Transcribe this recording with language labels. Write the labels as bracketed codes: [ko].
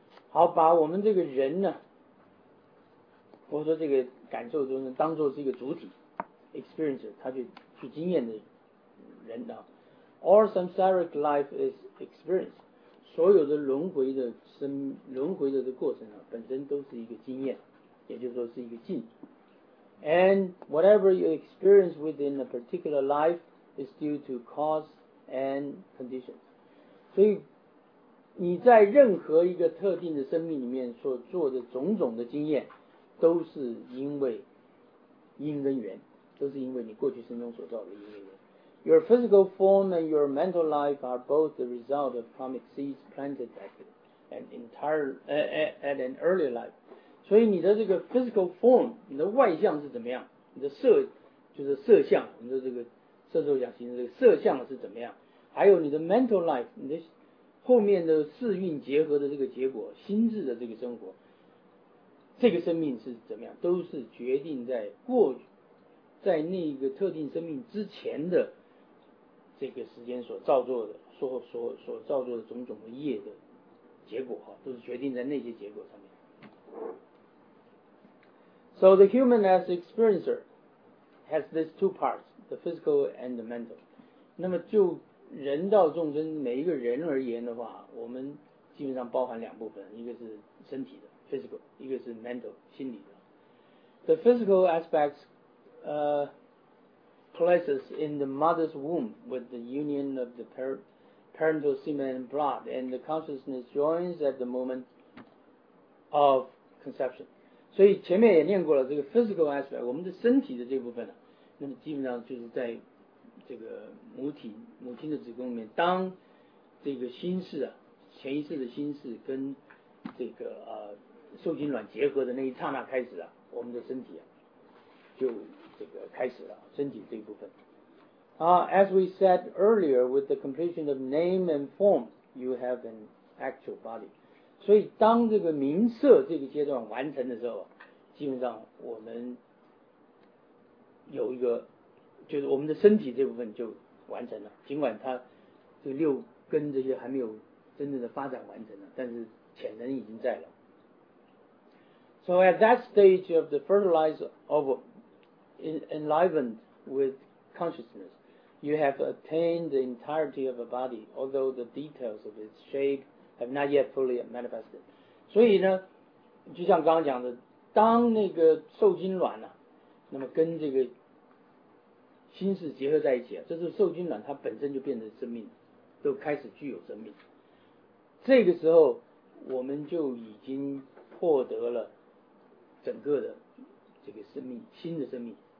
[zh] 好，把我们这个人呢，我说这个感受中呢，当作是一个主体 experiencer, 他去经验的人呢。 [en] All samsaric life is experience. [zh] 所有的轮回的生轮回的过程啊，本身都是一个经验，也就是说是一个境。 [en] And whatever you experience within a particular life is due to cause and conditions. [zh] 所以你在任何一个特定的生命里面所做的种种的经验，都是因为因跟缘，都是因为你过去生中所造的因跟缘。 [en] Your physical form and your mental life are both the result of karmic seeds planted at an earlier life. [zh] 所以你的这个 [en] physical form, [zh] 你的外相是怎么样？你的色就是色相，你的这个色受想行识这个色相是怎么样？还有你的 [en] mental life, [zh] 你的后面的四蕴结合的这个结果，心智的这个生活，这个生命是怎么样？都是决定在过在那个特定生命之前的。这个时间所造作的 所造作的种种的业的结果都是决定在那些结果上面。 [en] So the human as experiencer has these two parts, the physical and the mental. [zh] 那么就人道众生每一个人而言的话，我们基本上包含两部分，一个是身体的 physical, 一个是 mental, 心理的。 [en] The physical aspects places in the mother's womb with the union of the parental semen and blood and the consciousness joins at the moment of conception. [zh] 所以前面也念过了这个 [en] physical aspect, [zh] 我们的身体的这部分、啊、那么基本上就是在这个母亲的子宫里面，当这个心事啊，前一世的心事跟这个受精卵结合的那一刹那开始啊，我们的身体啊就这个开始了，身体这一部分。 [en] As we said earlier, with the completion of name and form, you have an actual body. [zh] 所以当这个名色这个阶段完成的时候，基本上我们有一个，就是我们的身体这部分就完成了。尽管它这个六根这些还没有真正的发展完成了，但是潜能已经在了。 [en] So at that stage of the fertilized ovum,enlivened with consciousness, you have attained the entirety of a body, although the details of its shape have not yet fully manifested. [zh] 所以呢，就像刚刚讲的，当那个受精卵啊，那么跟这个心事结合在一起啊，这是受精卵它本身就变成生命，都开始具有生命。这个时候，我们就已经获得了整个的这个生命，新的生命。